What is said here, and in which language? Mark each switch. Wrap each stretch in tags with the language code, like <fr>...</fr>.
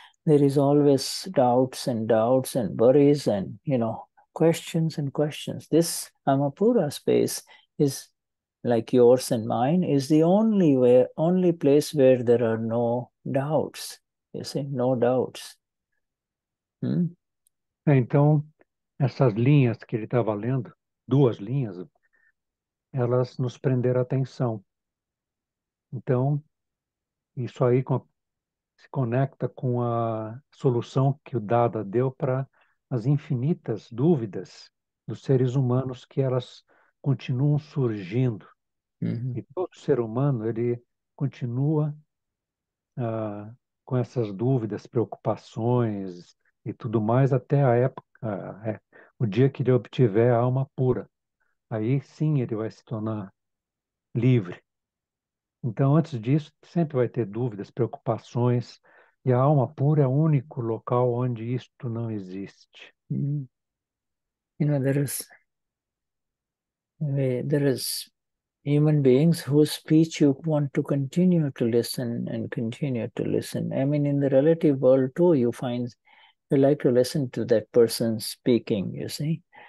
<en>There is always doubts and doubts and worries and, you know, questions and questions. This Amapura space is like yours and mine, is the only way, only place where there are no doubts. You see, no doubts.</en> <pt>Então, essas linhas que ele estava lendo, duas linhas, elas nos prenderam a atenção. Então, isso aí se conecta com a solução que o Dada deu para as infinitas dúvidas dos seres humanos, que elas continuam surgindo. E todo ser humano, ele continua com essas dúvidas, preocupações e tudo mais até a época, o dia que ele obtiver a alma pura. Aí sim ele vai se tornar livre. Então, antes disso, sempre vai ter dúvidas, preocupações, e a alma pura é o único local onde isto não existe.</pt> <en>You know, there is human beings whose speech you want to continue to listen and continue to listen. I mean, in the relative world too, you find you like to listen to that person speaking, you see.</en>